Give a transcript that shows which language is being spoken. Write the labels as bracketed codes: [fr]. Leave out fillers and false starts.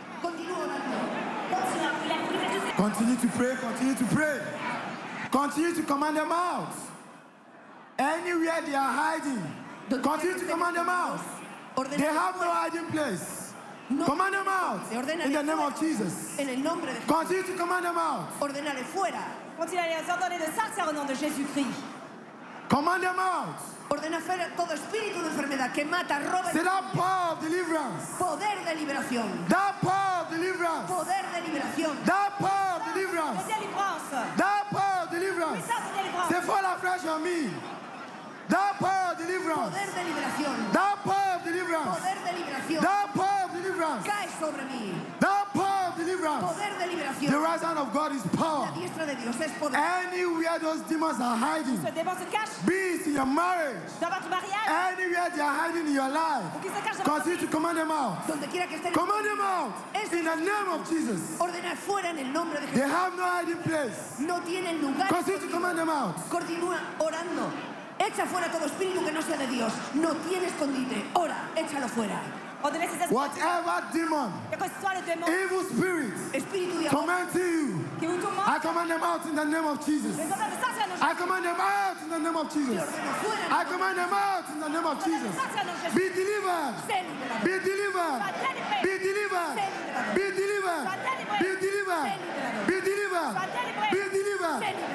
[en] Continue to pray. Continue to pray. Continue to command them out. Anywhere they are hiding, continue to command them out. They have no hiding place. Command them out in the name of Jesus. Continue to command them out. [es] Ordenale fuera. [en] Continue to [fr] ordonner de sortir au nom de Jésus-Christ. [en] Command them out. [es] Ordena fuera todo espíritu de enfermedad que mata, roba. [en] Say that power of deliverance. [es] Poder de liberación. [en] That power of deliverance. [es] Poder de liberación. [en] That power of deliverance. De deliverance. That power of deliverance. De deliverance. Say fall afresh on me. That power of deliverance. [es] Poder de liberación. [en] That power of deliverance. [es] Poder de liberación. [en] That power of deliverance. [es] Cae sobre mí. [en] That power of deliverance. [es] Poder de liberación. [en] The right hand of God is power. [es] La diestra de Dios es poder. [en] Anywhere those demons are hiding. [fr] Ce démon se cache. [en] Be it in your marriage. [fr] Dans votre mariage. [en] Anywhere they are hiding in your life. [fr] Ou qui se cache. [en] Continue to command them out. [es] Donde quiera que estén. [en] Command them out. In the name of Jesus. [es] Ordena fuera en el nombre de Jesús. [en] They have no hiding place. [es] No tienen lugar. [en] Continue to command them out. [es] Continúa orando. Echa fuera todo espíritu que no sea de Dios. No tiene escondite. Ora, échalo fuera. [en] Whatever demon, evil spirit, command to you, I command them out in the name of Jesus. I command them out in the name of Jesus. I command them out in the name of Jesus. Be delivered. Be delivered. Be delivered. Be delivered. Be delivered. Be delivered. Be delivered.